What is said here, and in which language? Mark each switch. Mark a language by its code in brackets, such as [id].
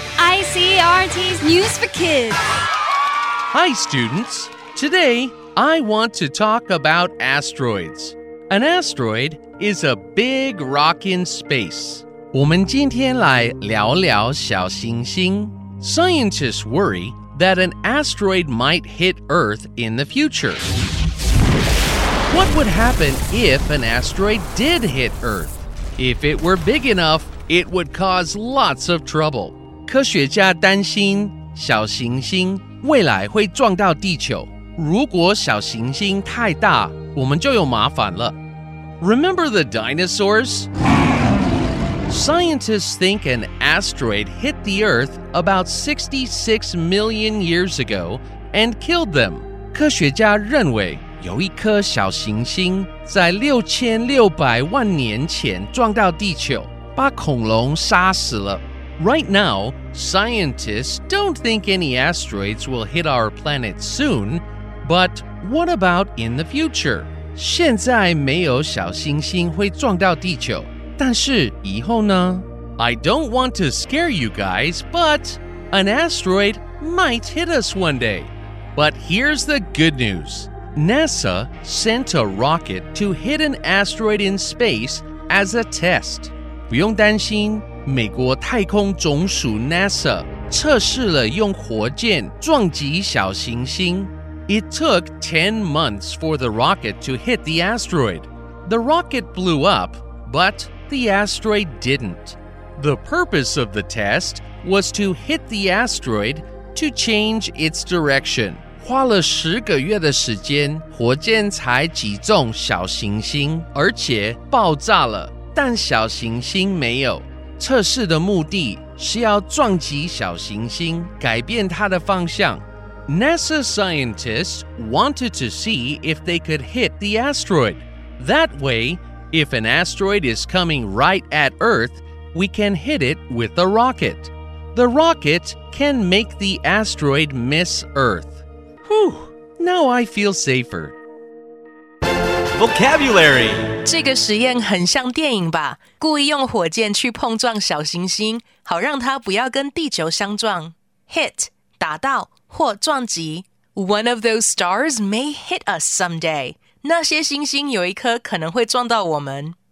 [en] ICRT's News for Kids! Hi students! Today, I want to talk about asteroids. An asteroid is a big rock in space. [zh] 我们今天来聊聊小行星。 [en] Scientists worry that an asteroid might hit Earth in the future. What would happen if an asteroid did hit Earth? If it were big enough, it would cause lots of trouble. [zh] 科学家担心小行星未来会撞到地球。如果小行星太大，我们就有麻烦了。 [en] Remember the dinosaurs? Scientists think an asteroid hit the Earth about 66 million years ago and killed them. [zh] 科学家认为有一颗小行星在6600万年前撞到地球，把恐龙杀死了。 [en] Right now, scientists don't think any asteroids will hit our planet soon, but what about in the future? [zh] 现在没有小行星会撞到地球。但是以后呢? [en] I don't want to scare you guys, but an asteroid might hit us one day. But here's the good news. NASA sent a rocket to hit an asteroid in space as a test. [zh] 不用担心,美国太空总署 NASA 测试了用火箭撞击小行星。 [en] It took 10 months for the rocket to hit the asteroid. The rocket blew up, but... The asteroid didn't. The purpose of the test was to hit the asteroid to change its direction. [zh] 花了十个月的时间，火箭才击中小行星，而且爆炸了，但小行星没有。测试的目的是要撞击小行星，改变它的方向。 [en] NASA scientists wanted to see if they could hit the asteroid. That way,If an asteroid is coming right at Earth, we can hit it with a rocket. The rocket can make the asteroid miss Earth. Whew, now I feel safer. Vocabulary. [zh] 这个实验很像电影吧？故意用火箭去碰撞小行星，好让它不要跟地球相撞。 Hit, 打到或撞击。 [en] One of those stars may hit us someday. [zh] 那些星星有一颗可能会撞到我们。